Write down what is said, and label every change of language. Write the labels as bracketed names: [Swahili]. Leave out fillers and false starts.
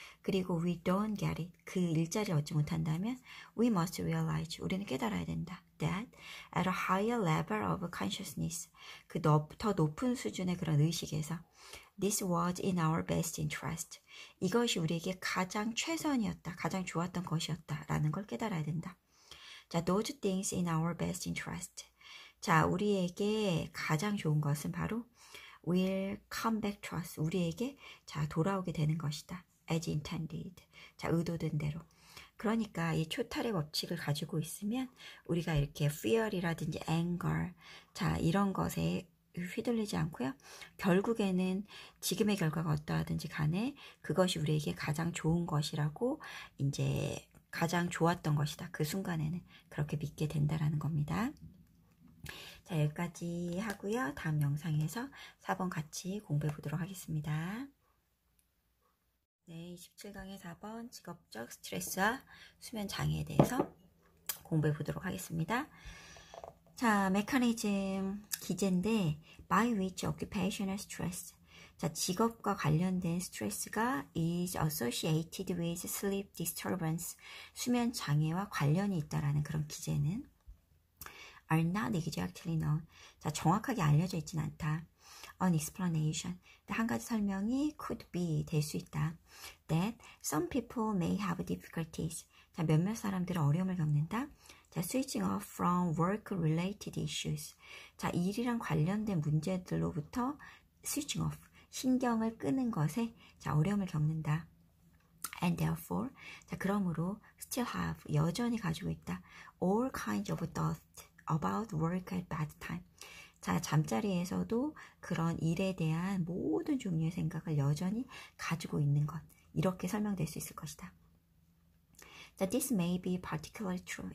[Korean] 그리고 [English] we don't get it, [Korean] 그 일자리를 얻지 못한다면, [English] we must realize, [Korean] 우리는 깨달아야 된다. [English] That at a higher level of consciousness, [Korean] 그 더 높은 수준의 그런 의식에서, [English] this was in our best interest, [Korean] 이것이 우리에게 가장 최선이었다, 가장 좋았던 것이었다, 라는 걸 깨달아야 된다. [English] 자, those things in our best interest. [Korean] 자, 우리에게 가장 좋은 것은 바로 [English] will come back to us. [Korean] 우리에게 자, 돌아오게 되는 것이다. [English] As intended. [Korean] 자, 의도된 대로. 그러니까 이 초탈의 법칙을 가지고 있으면 우리가 이렇게 fear이라든지 anger, 자, 이런 것에 휘둘리지 않고요. 결국에는 지금의 결과가 어떠하든지 간에 그것이 우리에게 가장 좋은 것이라고 이제 가장 좋았던 것이다. 그 순간에는 그렇게 믿게 된다라는 겁니다. 자, 여기까지 하고요. 다음 영상에서 4번 같이 공부해 보도록 하겠습니다. 네, 27강의 4번 직업적 스트레스와 수면 장애에 대해서 공부해 보도록 하겠습니다. [English] 자, mechanism 기재인데 by which occupational stress. [Korean] 자, 직업과 관련된 스트레스가 [English] is associated with sleep disturbance. [Korean] 수면 장애와 관련이 있다라는 그런 기재는 [English] are not exactly known. [Korean] 자, 정확하게 알려져 있진 않다. [English] An explanation. [Korean] 한 가지 설명이 [English] could be [Korean] 될 수 있다. [English] That some people may have difficulties. [Korean] 자, 몇몇 사람들은 어려움을 겪는다. [English] 자, switching off from work-related issues. [Korean] 자, 일이랑 관련된 문제들로부터 [English] switching off, [Korean] 신경을 끄는 것에 자, 어려움을 겪는다. [English] And therefore, [Korean] 자, 그러므로 [English] still have, [Korean] 여전히 가지고 있다. [English] All kinds of thoughts about work at bedtime. [Korean] 자, 잠자리에서도 그런 일에 대한 모든 종류의 생각을 여전히 가지고 있는 것. 이렇게 설명될 수 있을 것이다. [English] That this may be particularly true.